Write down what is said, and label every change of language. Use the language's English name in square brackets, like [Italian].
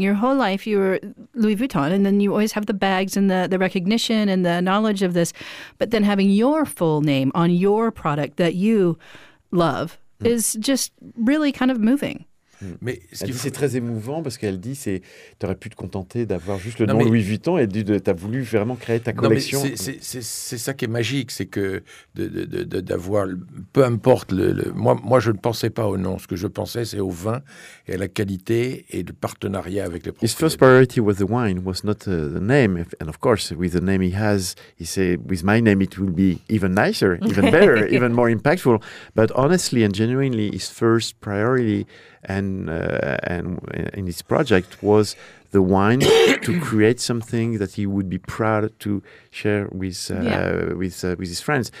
[English] Your whole life, you were Louis Vuitton, and then you always have the bags and the recognition and the knowledge of this, but then having your full name on your product that you love is just really kind of moving. [French] Mais elle dit c'est très émouvant parce qu'elle dit c'est t'aurais pu te contenter d'avoir juste le nom Louis Vuitton et t'as voulu vraiment créer ta collection. Non mais c'est ça qui est magique, c'est que de d'avoir peu importe le moi je ne pensais pas au nom, ce que je pensais c'est au vin et à la qualité et le partenariat avec les [English] propriétaires. His first priority was the wine, was not the name, and of course with the name he has, he said with my name it will be even nicer, even better, even more impactful. But honestly and genuinely, his first priority and in his project was the wine to create something that he would be proud to share with his friends.